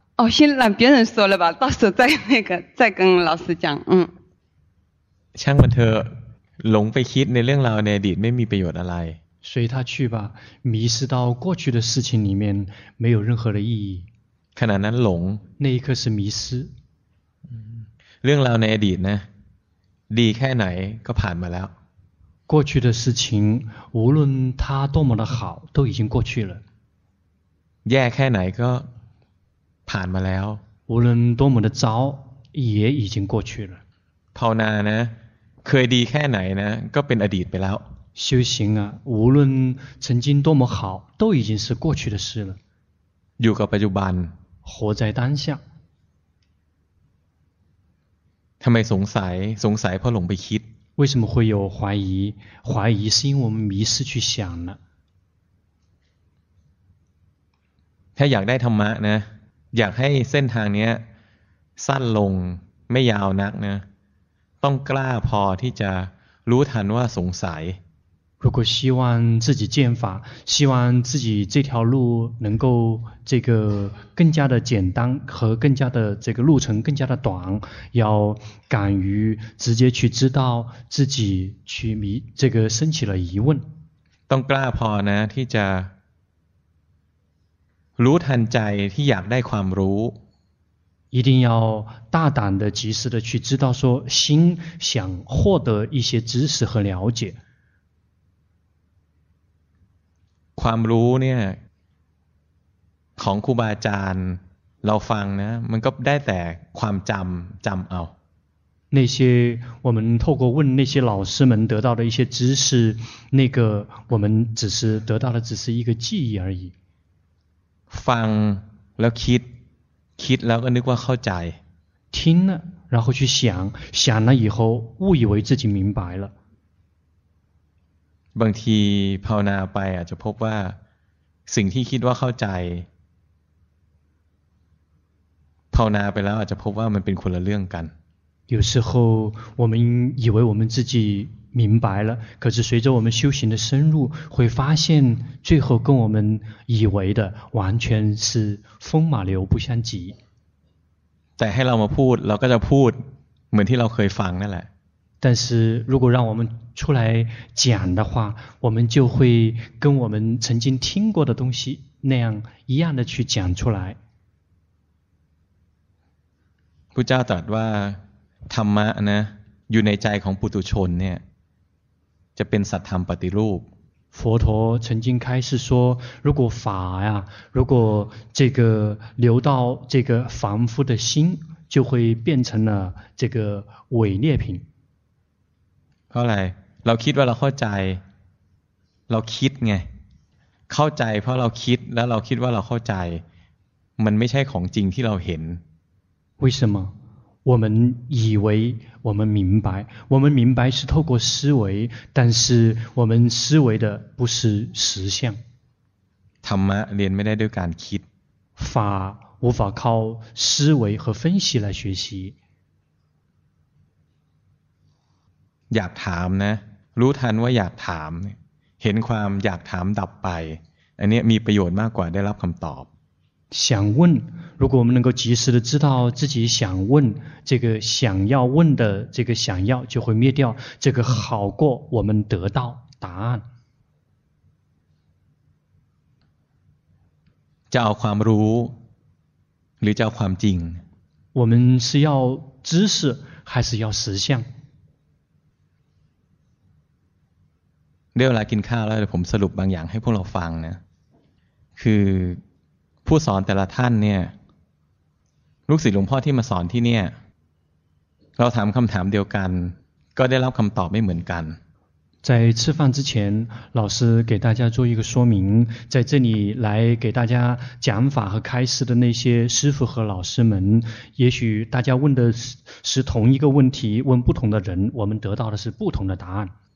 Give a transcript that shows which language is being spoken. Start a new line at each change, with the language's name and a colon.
Chinese: 先让别人说了吧，到时候再跟老师讲。
Thai: ช่างมันเถอะหลงไปคิดในเรื่องราวในอดีตไม่มีประโยชน์อะไร
Chinese: 随他去吧，迷失到过去的事情里面没有任何的意义。
Thai: ขณะนั้นหลง
Chinese: 那一刻是迷失。
Thai: เรื่องราวในอดีตนะดีแค่ไหนก็ผ่านมาแล้ว
Chinese: 过去的事情无论它多么的好都已经过去了。
Thai: แย่แค่ไหนก็ผ่านมาแล้ว
Chinese: 无论多么的糟也已经过去了。
Thai: ภาวนานะเคยดีแค่ไหนนะก็เป็นอดีตไปแล้ว
Chinese: 修行啊无论曾经多么好都已经是过去的事了。
Thai: อยู่กับปัจจุบัน
Chinese: 活在当下。
Thai: ทำไมสงสัยสงสัยเพราะหลงไปคิด
Chinese: 为什么会有怀疑怀疑是因为我们迷失去想了
Thai: ถ้าอยากได้ธรรมะนะอยากให้เส้นทางเนี้ยสั้นลงไม่ยาวนักนะต้องกล้าพอที่จะรู้ทันว่าสงสัย
Chinese: 如果希望自己见法希望自己这条路能够这个更加的简单和更加的这个路程更加的短要敢于直接去知道自己去迷这个升起了疑问
Thai: ต้องกล้าพอนะที่จะรู้ทันใจที่อยากได้ความรู้
Chinese: 一定要大胆的及时的去知道说心想获得一些知识和了解
Thai: ความรู้เนี่ยของครูบาอาจารย์เราฟังนะมันก็ได้แต่ความจำเอา
Chinese: 那些我们透过问那些老师们得到的一些知识那个我们只是得到的只是一个记忆而已
Thai: ฟังแล้วคิดแล้วก็นึกว่าเข้าใจ
Chinese: 听了然后去想想了以后误以为自己明白了
Thai: บางทีภาวนาไปอาจจะพบว่าสิ่งที่คิดว่าเข้าใจภาวนาไปแล้วอาจจะพบว่ามันเป็นคนละเรื่องกัน
Chinese: 有时候我们以为我们自己明白了可是随着我们修行的深入会发现最后跟我们以为的完全是风马牛不相及
Thai: แต่ให้เรามาพูดเราก็จะพูดเหมือนที่เราเคยฟังนั่นแหละ
Chinese: 但是如果让我们出来讲的话我们就会跟我们曾经听过的东西那样一样的去讲出来
Thai: พุทธเจ้าตรัสว่าธรรมะนะอยู่ในใจของปุถุชนเนี่ยจะเป็นสัทธรรมปฏิรูป
Chinese: 佛陀曾经开始说如果法呀如果这个流到这个凡夫的心就会变成了这个伪劣品
Thai: เพราะอะไรเราคิดว่าเราเข้าใจเราคิดไงเข้าใจเพราะเราคิดแล้วเราคิดว่าเราเข้าใจมันไม่ใช่ของจริงที่เราเห็น
Chinese: 为什么我们以为我们明白我们明白是透过思维但是我们思维的不是实相
Thai: ธรรมะเรียนไม่ได้ด้วยการคิด
Chinese: 法无法靠思维和分析来学习
Thai: อยากถามนะรู้ทันว่าอยากถามเห็นความอยากถามดับไปอันนี้มีประโยชน์มากกว่าได้รับคำตอบ
Chinese: 想问如果我们能够及时的知道自己想问这个想要问的这个想要就会灭掉这个好过我们得到答案
Thai: 叫ความรู้หรือ叫ความจริง
Chinese: 我们是要知识还是要实相
Thai: เดี๋ยวเรากินข้าวแล้วผมสรุปบางอย่างให้พวกเราฟังนะคือผู้สอนแต่ละท่านเนี่ยลูกศิษย์หลวงพ่อที่มาสอนที่เนี่ยเราถามคำถามเดียวกันก็ได้รับคำตอบไม่เหมือนกัน
Chinese: 在吃饭之前，老师给大家做一个说明，在这里来给大家讲法和开示的那些师父和老师们，也许大家问的是同一个问题，问不同的人，我们得到的是不同的答案。